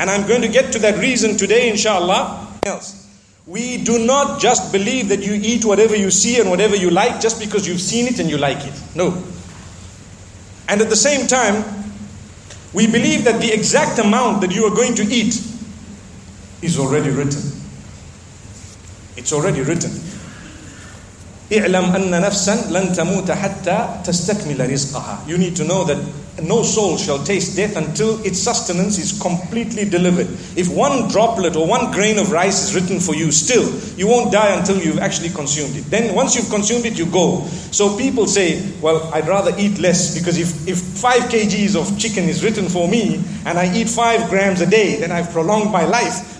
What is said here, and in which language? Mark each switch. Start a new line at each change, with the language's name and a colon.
English: And I'm going to get to that reason today, inshallah. Else, we do not just believe that you eat whatever you see and whatever you like just because you've seen it and you like it. No. And at the same time, we believe that the exact amount that you are going to eat is already written. It's already written.
Arabic: اعلم أن نفسا لن تموت حتى تستكمل رزقها.
English: You need to know that no soul shall taste death until its sustenance is completely delivered. If one droplet or one grain of rice is written for you still, you won't die until you've actually consumed it. Then once you've consumed it, you go. So people say, well, I'd rather eat less, because if 5 kgs of chicken is written for me and I eat 5 grams a day, then I've prolonged my life.